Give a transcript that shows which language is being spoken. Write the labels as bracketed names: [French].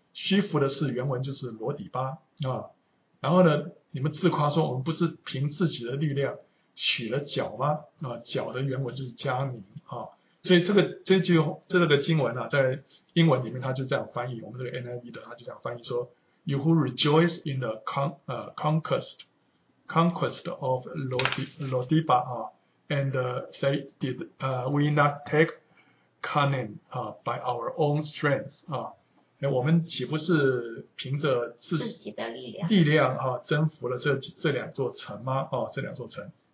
[Chinese] 虚浮的事原文就是罗底巴啊。然后呢，你们自夸说我们不是凭自己的力量取了脚吗？啊，脚的原文就是迦宁啊。所以这个经文啊，在英文里面它就这样翻译，我们这个 NIV 的它就这样翻译说。 [English] You who rejoice in the conquest of Lodiba, and say, did we not take Canaan by our own strength? [Chinese] 我们岂不是凭着自己的力量啊，征服了这两座城吗？啊，这两座城。